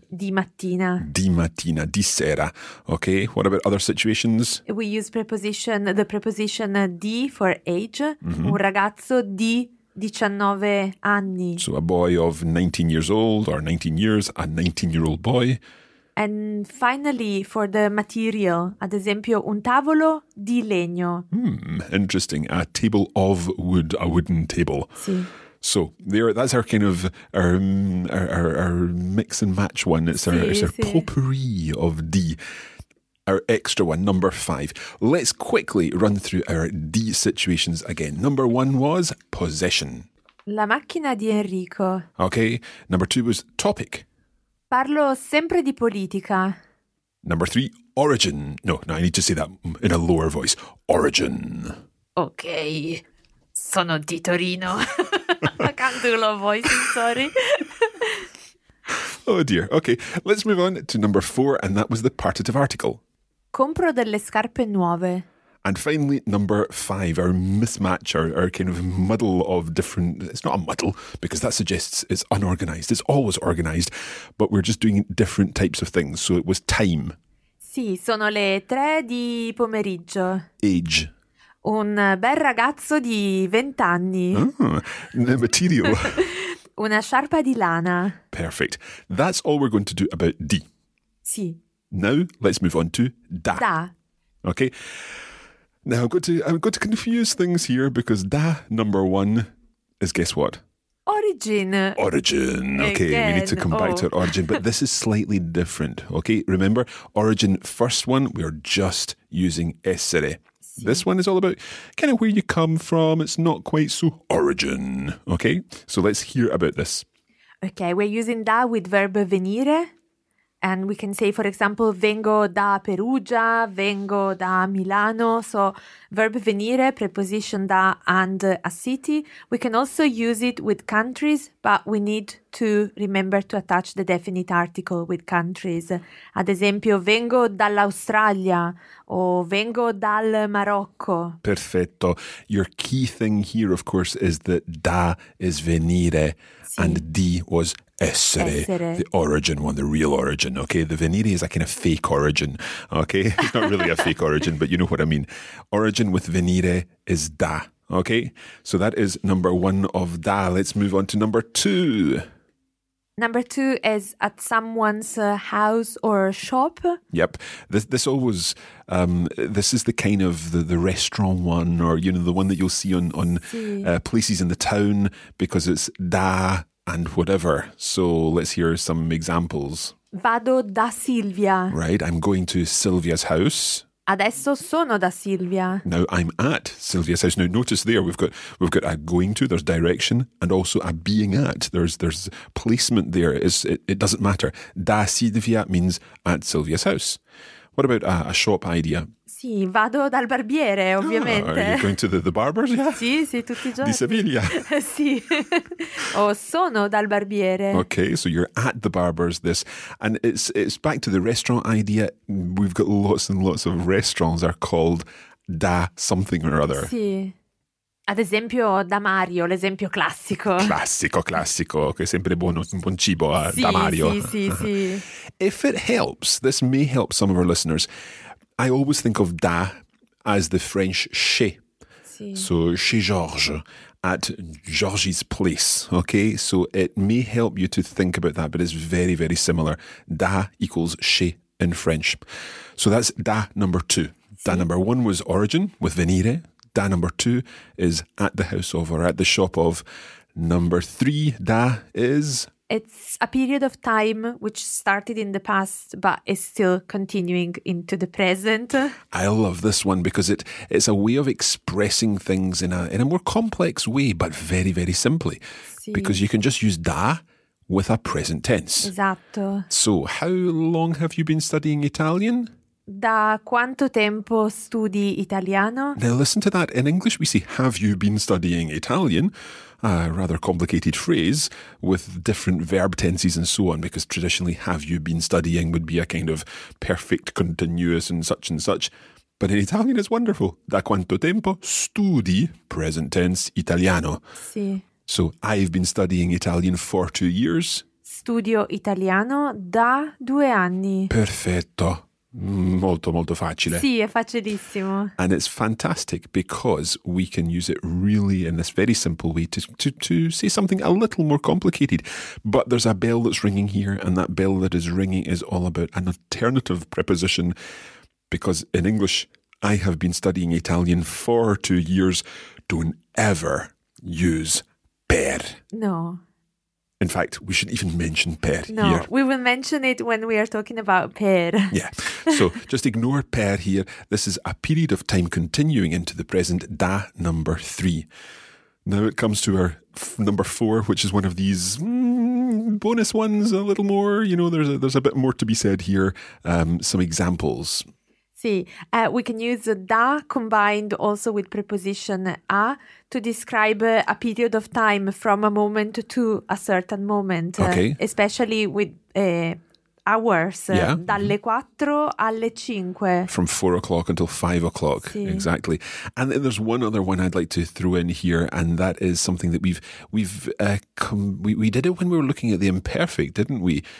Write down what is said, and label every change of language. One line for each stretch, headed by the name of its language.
Italian: Di mattina. Di mattina, di sera.
English: Okay, what about other situations? We use the preposition di for age. Mm-hmm.
Italian: Un ragazzo di 19 anni.
English: So a boy of 19 years old or 19 years, a 19-year-old boy. And finally, for the material,
Italian: ad esempio, un tavolo di legno.
English: Interesting. A table of wood, a wooden table.
Italian: Sì.
English: So that's our kind of our mix and match one. It's our potpourri of D, our extra one, number five. Let's quickly run through our D situations again. Number one was possession.
Italian: La macchina di Enrico.
English: Okay. Number two was topic.
Italian: Parlo sempre di politica.
English: Number three, origin. No, I need to say that in a lower voice. Origin.
Italian: Okay. Sono di Torino.
English: I can't do low voices, sorry. Oh dear. Okay, let's move on to number four, and that was the partitive article.
Italian: Compro delle scarpe nuove.
English: And finally, number five, our mismatch, our kind of muddle of different... It's not a muddle, because that suggests it's unorganized. It's always organized, but we're just doing different types of things. So it was time.
Italian: Sì, sono le 3 di pomeriggio.
English: Age.
Italian: Un bel ragazzo di 20 anni.
English: Oh, material.
Italian: Una sciarpa di lana.
English: Perfect. That's all we're going to do about D.
Italian: Sì.
English: Now let's move on to da.
Italian: Da.
English: Okay. Now I'm going to confuse things here because da number one is guess what? Origin. Origin. Okay, again. We need to come back to our origin, but this is slightly different. Okay, remember origin first one. We are just using essere. This one is all about kind of where you come from. It's not quite so origin, okay? So let's hear about this. Okay, we're using da with verb venire. And we can say, for example,
Italian: vengo da Perugia, vengo da Milano.
English: So verb venire, preposition da, and a city. We can also use it with countries, but we need to remember to attach the definite article with countries.
Italian: Ad esempio, vengo dall'Australia o vengo dal Marocco. Perfetto.
English: Your key thing here, of course, is that da is venire, sì, and di was essere,
Italian: essere,
English: the origin one, the real origin, okay? The venire is a kind of fake origin, okay? It's not really a fake origin, but you know what I mean. Origin with venire is da, okay? So that is number one of da. Let's move on to number two. Number two is at someone's house or shop. Yep. This always, this is the kind of the restaurant one, or, you know, the one that you'll see on places in the town, because it's da and whatever. So let's hear some examples.
Italian: Vado da Silvia.
English: Right, I'm going to Silvia's house.
Italian: Adesso sono da Silvia.
English: Now I'm at Silvia's house. Now notice there we've got a going to, there's direction, and also a being at. There's placement there. It doesn't matter. Da Silvia means at Silvia's house. What about a shop idea?
Italian: Sì, vado dal barbiere, ovviamente.
English: Are you going to the barbers? Yeah.
Italian: Sì, sì, tutti i giorni. Di Siviglia. Sì. O sono dal barbiere.
English: Okay, so you're at the barbers. This, and it's back to the restaurant idea. We've got lots and lots of restaurants are called da something or other.
Italian: Sì. Ad esempio da Mario, l'esempio classico. Classico, classico. Che okay, sempre buon cibo, sì, da Mario. Sì, sì, sì.
English: If it helps, this may help some of our listeners. I always think of da as the French chez.
Italian: Si.
English: So chez Georges, at Georges' place. Okay, so it may help you to think about that, but it's very, very similar. Da equals chez in French. So that's da number two. Si. Da number one was origin with venire. Da number two is at the house of or at the shop of. Number three, da is... It's a period of time which started in the past but is still continuing into the present. I love this one because it's a way of expressing things in a more complex way, but very, very simply.
Italian: Si.
English: Because you can just use da with a present tense.
Italian: Esatto.
English: So how long have you been studying Italian?
Italian: Da quanto tempo studi italiano?
English: Now listen to that. In English we say, have you been studying Italian? A rather complicated phrase with different verb tenses and so on, because traditionally have you been studying would be a kind of perfect continuous and such, but in Italian it's wonderful.
Italian: Da quanto tempo studi,
English: present tense,
Italian: italiano? Sì.
English: So I've been studying Italian for 2 years.
Italian: Studio italiano da 2 anni. Perfetto. Molto, molto facile. Sì, è facilissimo.
English: And it's fantastic because we can use it really in this very simple way to say something a little more complicated. But there's a bell that's ringing here, and that bell that is ringing is all about an alternative preposition, because in English, I have been studying Italian for 2 years. Don't ever use per. No. In fact, we shouldn't even mention per no, here. No, we will mention it when we are talking about per. Yeah, so just ignore per here. This is a period of time continuing into the present, da number three. Now it comes to our number four, which is one of these bonus ones, a little more. You know, there's a bit more to be said here. Some examples. Sì, we can use da combined also with preposition a to describe a period of time from a moment to a certain moment. Okay. Especially with hours. Yeah.
Italian: Dalle quattro alle cinque.
English: From 4 o'clock until 5 o'clock.
Italian: Sì.
English: Exactly. And then there's one other one I'd like to throw in here, and that is something that we did it when we were looking at the imperfect, didn't we?